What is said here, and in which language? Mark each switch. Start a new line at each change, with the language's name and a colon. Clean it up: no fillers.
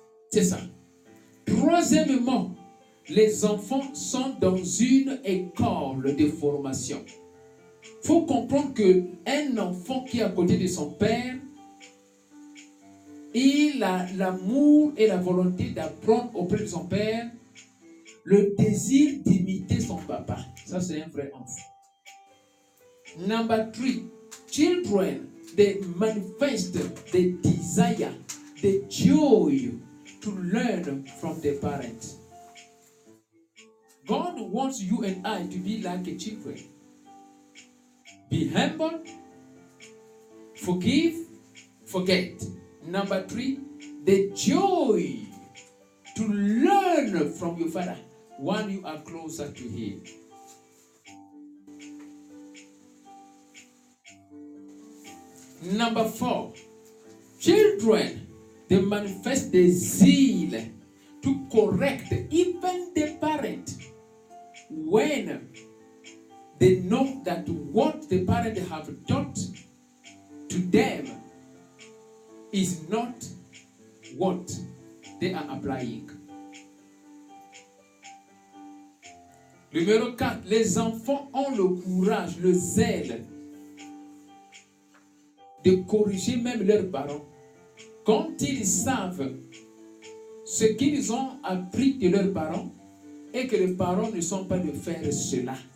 French: C'est ça. Troisièmement, les enfants sont dans une école de formation. Il faut comprendre qu'un enfant qui est à côté de son père, il a l'amour et la volonté d'apprendre auprès de son père, le désir d'imiter son papa. Ça, c'est un vrai enfant.
English: Number three, children, they manifest the desire, the joy to learn from their parents. God wants you and I to be like a children. Be humble, forgive, forget. Number three, the joy to learn from your father when you are closer to him. Number four, children, they manifest the zeal to correct even the parent. When they know that what the parents have taught to them is not what they are applying.
French: Numéro 4, les enfants ont le courage, le zèle de corriger même leurs parents quand ils savent ce qu'ils ont appris de leurs parents et que les parents ne sont pas de faire cela.